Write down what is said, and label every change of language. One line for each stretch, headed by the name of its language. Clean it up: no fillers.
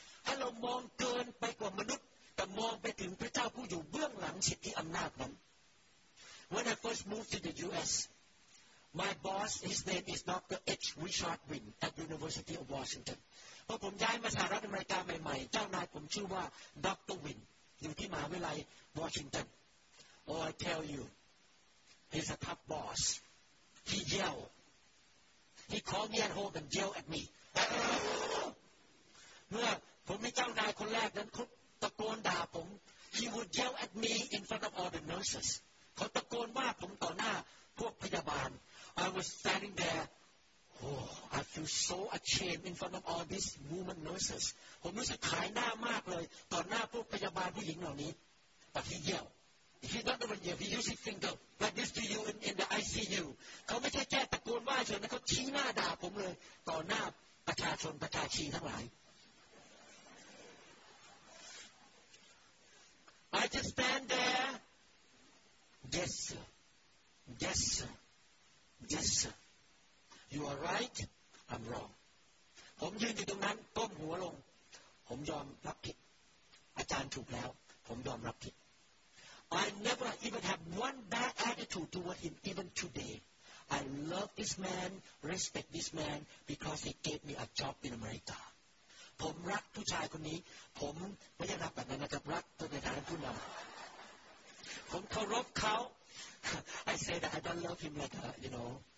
Thai: ถ้าเรามองเกินไปกว่ามนุษย์แต่มองไปถึงพระเจ้าผู้อยู่เบื้องหลังสิทธิอำนาจนั้น
English: When I first moved to the U.S., my boss, his name is Dr. H.
Thai: Richard Wynn at University of Washington. พอผมย้ายมาสหรัฐอเมริกาใหม่ๆเจ้านายผมชื่อว่า Dr. Wynn อยู่ที่มหาวิทยาลัย Washington.
English: Oh, I tell you,He's a tough boss. He yelled. He called me at home and yelled at me.
Thai: เมื่อผมมีเจ้านายคนแรกนั้นตะโกนด่าผม
English: He would yell at me in front of all the nurses.
Thai: เขาตะโกนว่าผมต่อหน้าพวกพยาบาล
English: I was standing there. Oh, I feel so ashamed in front of all these woman nurses.
Thai: ผมรู้สึกขายหน้ามากเลยต่อหน้าพวกพยาบาลผู้หญิงเหล่านี้
English: But he yelled. He not the one yet. He used his finger like this to you in the ICU.
Thai: เขาไม่ใช่แค่ตะโกนว่าเฉยนะเขาชี้หน้าด่าผมเลยต่อหน้าประชาชนประชาชีทั้งหลาย
English: I just stand there. Yes, sir. Yes, sir. Yes, sir. You are right. I'm wrong.
Thai: ผมยืนอยู่ตรงนั้นก้มหัวลงผมยอมรับผิดอาจารย์ถูกแล้วผมยอมรับผิด
English: I never even have one bad attitude toward him, even today. I love this man, respect this man, because he gave me a job in America.
Thai: ผมรักผู้ชายคนนี้ผมไม่ใช่รักแบบนั้นนะครับรักตัวในฐานะผู้นำผมเคารพเขา
English: I say that I don't love him like that, you know.